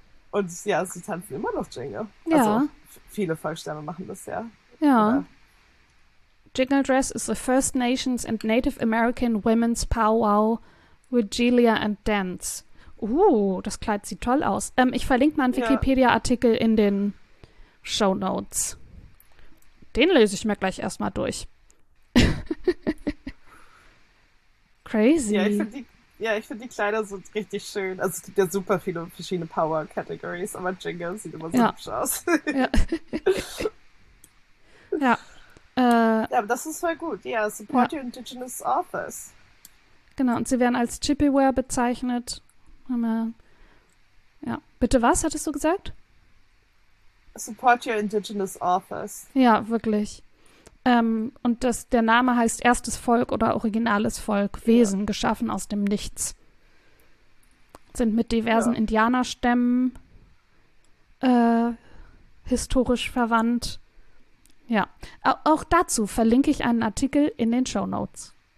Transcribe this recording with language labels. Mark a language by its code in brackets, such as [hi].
[de] Und ja, sie tanzen immer noch Jingle. Also Ja. viele Volksstämme machen das ja. Ja. Oder? [en] Jingle Dress is the First Nations and Native American Women's Powwow, Regalia and Dance. [de] Das Kleid sieht toll aus. Ich verlinke mal einen Ja. Wikipedia-Artikel in den Show Notes. Den lese ich mir gleich erstmal durch. Ja, ich [en] Crazy. [de] finde die. Ja, ich finde die Kleider so richtig schön. Also es gibt ja super viele verschiedene Power-Categories, aber Jingle sieht immer so Ja. hübsch aus. Ja. Ja. Aber das ist voll gut. Ja, [en] support your indigenous authors. [de] Genau, und sie werden als Chippewa bezeichnet. Ja. Bitte was, hattest du gesagt? [en] Support your indigenous authors. [de] Ja, wirklich. Und der Name heißt Erstes Volk oder originales Volk, Ja. Wesen geschaffen aus dem Nichts. Sind mit diversen Ja. Indianerstämmen historisch verwandt. Ja, auch dazu verlinke ich einen Artikel in den Shownotes.